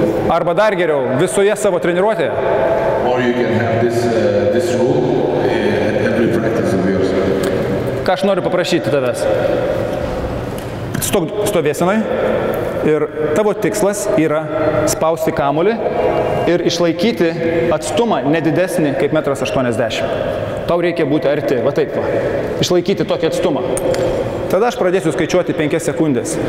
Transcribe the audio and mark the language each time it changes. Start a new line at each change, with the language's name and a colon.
Lithuanian: Arba dar geriau, visoje savo treniruotėje.
English: Or you can have this rule at every practice of yours.
Lithuanian: Ką aš noriu paprašyti tavęs? Stovėsinai. Ir tavo tikslas yra spausti kamuolį ir išlaikyti atstumą nedidesnį kaip 1,80 m. Tau reikia būti arti, va taip va, išlaikyti tokį atstumą. Tada aš pradėsiu skaičiuoti 5 sekundės.